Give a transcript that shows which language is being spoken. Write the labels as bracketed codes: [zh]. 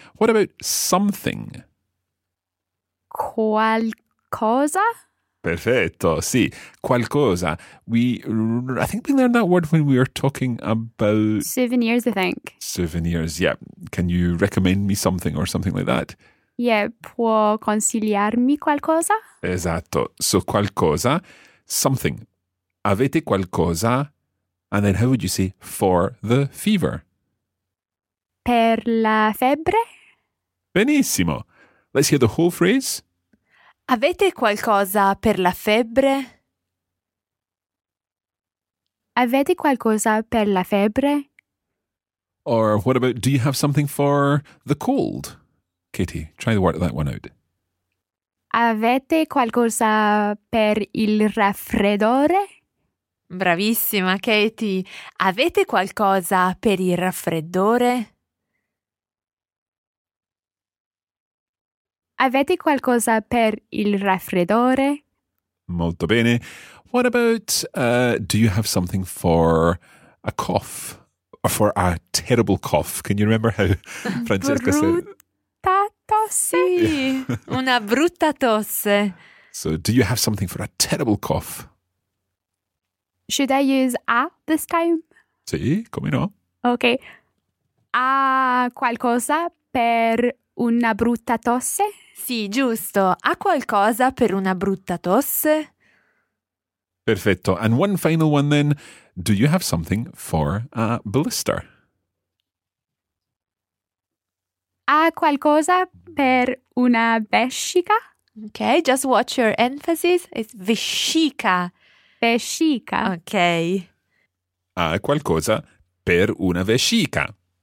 [en] What about something? [it] Qualcosa? Perfetto, sì. Qualcosa. [en] I think we learned that word when we were talking about... Souvenirs, I think. Souvenirs, yeah. Can you recommend me something or something like that? [it] Yeah, può consigliarmi qualcosa? Esatto. So qualcosa, something. Avete qualcosa? [en] And then how would you say for the fever? [it] Per la febbre? Benissimo. [en] Let's hear the whole phrase. [it] Avete qualcosa per la febbre? Avete qualcosa per la febbre? [en] Or what about, do you have something for the cold? Katie, try to work that one out. [it] Avete qualcosa per il raffreddore? Bravissima, Katie. Avete qualcosa per il raffreddore? Avete qualcosa per il raffreddore? Molto bene. [en] What about, do you have something for a cough? Or for a terrible cough? Can you remember how Francesca said? [it] Brutta tosse. Una brutta tosse. [en] So, do you have something for a terrible cough? Should I use a this time? [it] Sì, come no. [en] Okay. [it] A qualcosa per una brutta tosse? Sì, giusto. Ha qualcosa per una brutta tosse? [en] Perfetto. And one final one then. Do you have something for a blister? [it] Ha qualcosa per una vescica? [en] Okay, just watch your emphasis. It's vescica. [it] Vescica. [en] Okay. [it] Ha qualcosa per una vescica.